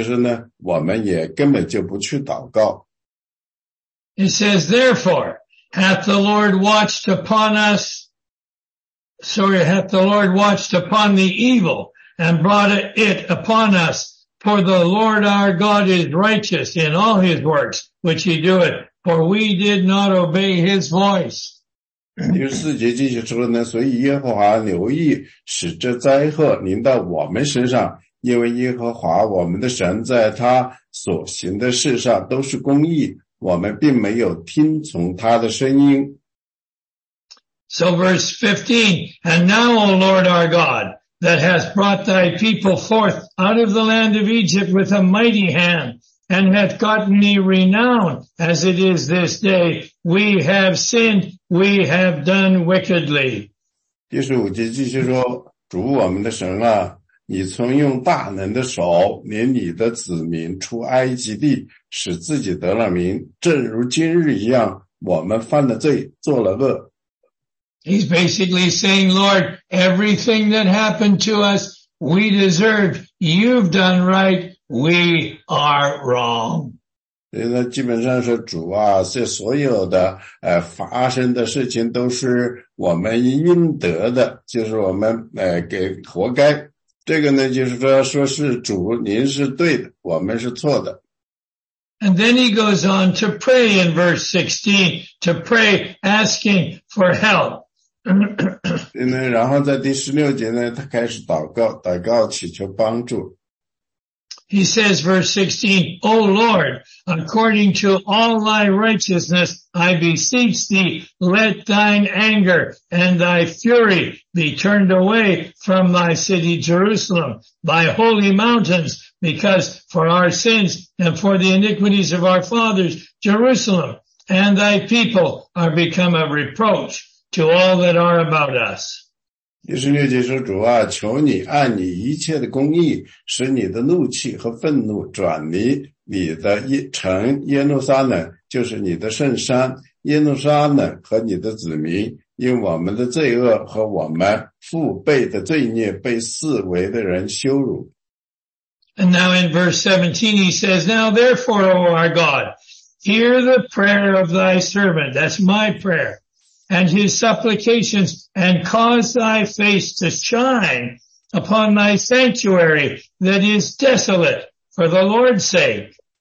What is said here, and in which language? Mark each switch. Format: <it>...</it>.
<zh>这里就是三节说这一切在后将临到我们身上是照摩西律法上所写的我们却没有在耶和华我们的神面前祷告使我们回头离开罪孽明白你的真理其实呢他说呢就是这个预言已经在那里了我们却不相信这些事情发生了其实呢我们也根本就不去祷告</zh> <en>It says therefore hath the Lord watched upon us Sorry, hath the Lord watched upon the evil and brought it upon us. For the Lord our God is righteous in all his works, which he doeth. For we did not obey his voice.</en> <zh>第十四节继续说呢，所以耶和华留意使这灾祸临到我们身上，因为耶和华我们的神在他所行的事上都是公义，我们并没有听从他的声音。</zh> <en>So verse 15, and now, O Lord our God, that hast brought thy people forth out of the land of Egypt with a mighty hand, and hath gotten thee renown as it is this day, we have sinned, we have done wickedly.</en> <zh>第十五节继续说，主我们的神啊，你曾用大能的手领你的子民出埃及地，使自己得了名，正如今日一样，我们犯了罪，做了恶。</zh> <en>He's basically saying, Lord, everything that happened to us, we deserved. You've done right. We are wrong.</en> <zh>所以呢，基本上是主啊，这所有的发生的事情都是我们应得的，就是我们给活该。这个呢，就是说是主，您是对的，我们是错的。</zh> <en>And then he goes on to pray in verse 16, to pray asking for help.</en> <zh>然后在第十六节呢，他开始祷告，祷告祈求帮助。</zh> <en>He says verse 16, O Lord, according to all thy righteousness, I beseech thee, let thine anger and thy fury be turned away from thy city Jerusalem, thy holy mountains, because for our sins and for the iniquities of our fathers, Jerusalem and thy people are become a reproach to all that are about us.</en> <zh>第十六节说，主啊，求你按你一切的公义，使你的怒气和愤怒转离你的城耶路撒冷，就是你的圣山耶路撒冷和你的子民，因我们的罪恶和我们父辈的罪孽被四围的人羞辱。</zh> <en>And now in verse 17, he says, Now therefore, O our God, hear the prayer of thy servant, that's my prayer, and his supplications, and cause thy face to shine upon thy sanctuary that is desolate for the Lord's sake.</en>